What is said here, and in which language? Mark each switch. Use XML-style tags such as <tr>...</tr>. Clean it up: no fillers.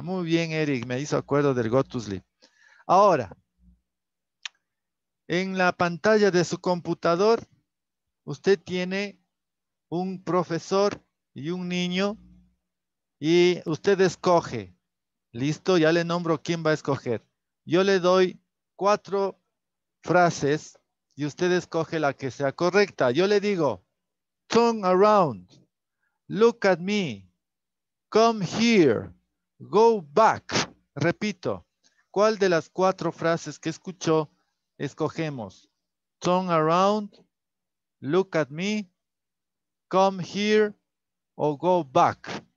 <es>Muy bien, Eric, me hizo acuerdo del go to sleep. Ahora, en la pantalla de su computador, usted tiene un profesor y un niño, y usted escoge. Listo, ya le nombro quién va a escoger. Yo le doy cuatro frases y usted escoge la que sea correcta.</es> <en>Yo le digo, turn around, look at me, come here, go back.</en> <es>Repito, ¿cuál de las cuatro frases que escuchó escogemos?</es> <en>Turn around, look at me, come here o go back.</en>